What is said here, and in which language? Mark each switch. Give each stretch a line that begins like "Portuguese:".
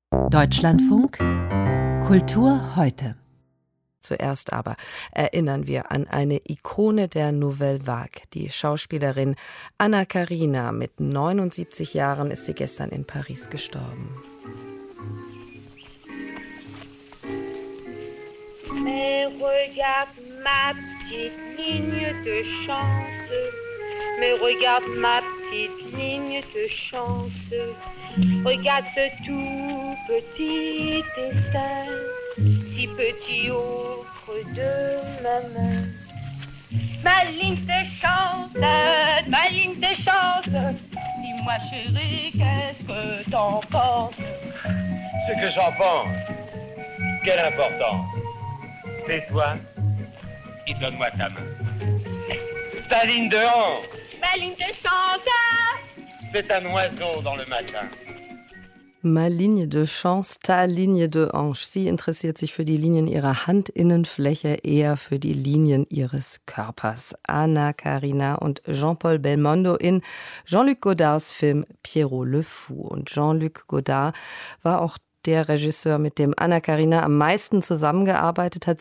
German: Deutschlandfunk, Kultur heute. Zuerst aber erinnern wir an eine Ikone der Nouvelle Vague. Die Schauspielerin Anna Karina, mit 79 Jahren ist sie gestern in Paris gestorben.
French: Mais regarde ma petite ligne de chance. Mais regarde ma petite ligne de chance. Regarde ce tout petit destin, si petit au creux de ma main. Ma ligne de chance, ma ligne de chance. Dis-moi chérie, qu'est-ce que t'en penses? Ce que j'en pense, quelle importance. Tais-toi et donne-moi ta main. Ta ligne de hanche. Ma ligne de chance. C'est un oiseau dans le matin. Ma ligne de chance, ta ligne de hanche.
German: Sie interessiert sich für die Linien ihrer Handinnenfläche, eher für die Linien ihres Körpers. Anna Karina und Jean-Paul Belmondo in Jean-Luc Godards Film Pierrot le Fou. Und Jean-Luc Godard war auch der Regisseur, mit dem Anna Karina am meisten zusammengearbeitet hat.